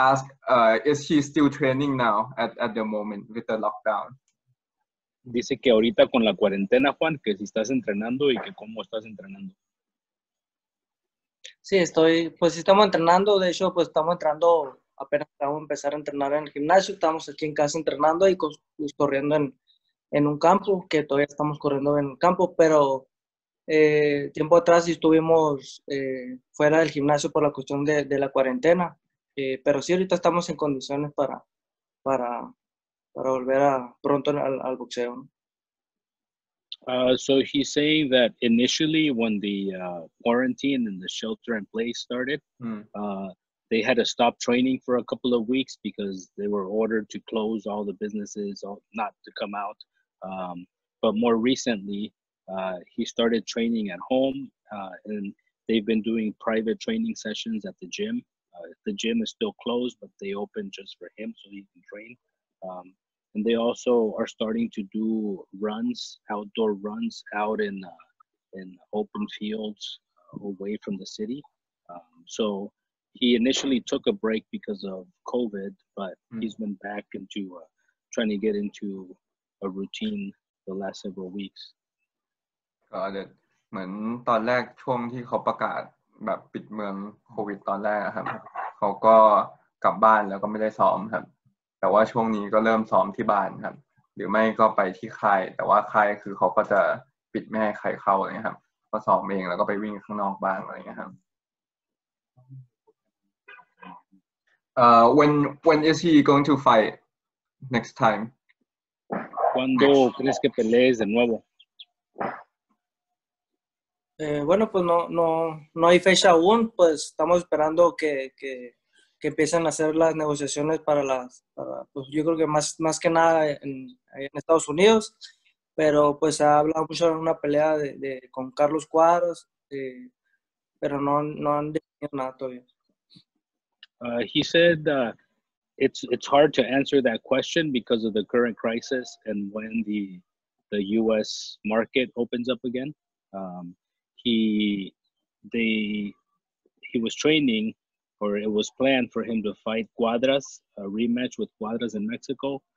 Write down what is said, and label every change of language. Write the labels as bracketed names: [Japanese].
[English] asked, is he still training now at the moment with the lockdown? [Spanish] Dice que ahorita con la cuarentena, Juan, que si estás entrenando y que cómo estás entrenando. Sí, estoy, pues estamos entrenando, de hecho, pues estamos entrenando, apenas acabamos de empezar a entrenar en el gimnasio, estamos aquí en casa entrenando y corriendo en un campo, que todavía estamos corriendo en el campo, pero tiempo atrás estuvimos fuera del gimnasio por la cuestión de la cuarentena, pero sí ahorita estamos en condiciones para volver a pronto al boxeo. [English] So he's saying that initially when the quarantine and the shelter in place started, they had to stop training for a couple of weeks because they were ordered to close all the businesses, not to come out. But more recently, he started training at home, and they've been doing private training sessions at the gym. The gym is still closed, but they open just for him so he can train. And they also are starting to do outdoor runs out in open fields away from the city. So he initially took a break because of COVID, but he's been back into trying to get into a routine the last several weeks. [Thai] เหมือนตอนแรกช่วงที่เขาประกาศแบบปิดเมืองโควิดตอนแรกครับเขาก็กลับบ้านแล้วก็ไม่ได้ซ้อมครับแต่ว่าช่วงนี้ก็เริ่มซ้อมที่บ้านครับหรือไม่ก็ไปที่ค่ายแต่ว่าค่ายคือเขาก็จะปิดไม่ให้ใครเข้าเลยครับก็ซ้อมเองแล้วก็ไปวิ่งข้างนอกบ้างอะไรเงี้ยครับ [English] when is he going to fight next time [Spanish] cuando crees que pelees de nuevo Bueno, pues no hay fecha aún, pues estamos esperando que empiecen a hacer las negociaciones pues yo creo que más que nada en Estados Unidos, pero pues ha hablado mucho de una pelea de con Carlos Cuadros, pero no han definido nada todavía. [English] He said it's hard to answer that question because of the current crisis and when the U.S. market opens up again. He was training, or it was planned for him to fight Cuadras, a rematch with Cuadras in Mexico,